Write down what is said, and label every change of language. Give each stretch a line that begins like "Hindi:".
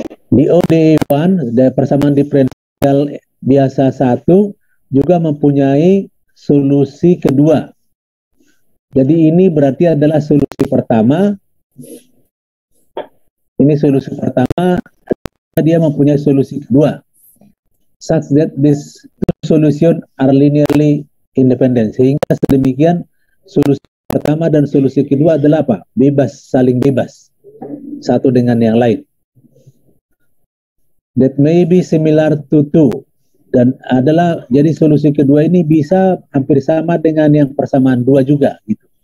Indonesian: Di ODE1, persamaan diferensial biasa 1, juga mempunyai solusi kedua. Jadi ini berarti adalah solusi pertama. Ini solusi pertama, dia mempunyai solusi kedua.
English: Such that these two solutions are linearly independent.
Indonesian: Sehingga sedemikian, solusi pertama dan solusi kedua adalah apa? Bebas, saling bebas. Satu dengan yang lain.
English: That may be similar to two.
Indonesian: Dan adalah, jadi solusi kedua ini bisa hampir sama dengan yang persamaan dua juga. Gitu.